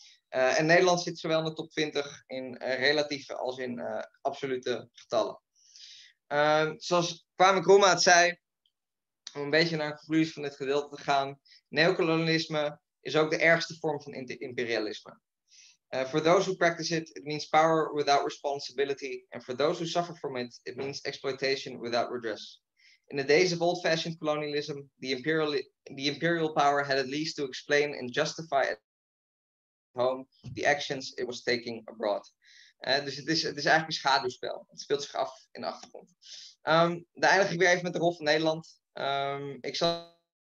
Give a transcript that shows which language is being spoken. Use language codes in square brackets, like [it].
[nl] En Nederland zit zowel in de top 20 in relatieve als in absolute getallen. Zoals Kwame Nkrumah het zei, om een beetje naar de conclusies van dit gedeelte te gaan, neocolonialisme is ook de ergste vorm van imperialisme. [en] For those who practice it, it means power without responsibility. And for those who suffer from it, it means exploitation without redress. In the days of old-fashioned colonialism, the imperial power had at least to explain and justify at home the actions it was taking abroad. [nl] Dus het is eigenlijk een schaduwspel. Het speelt zich af in de achtergrond. Dan eindig ik weer even met de rol van Nederland. Ik zal...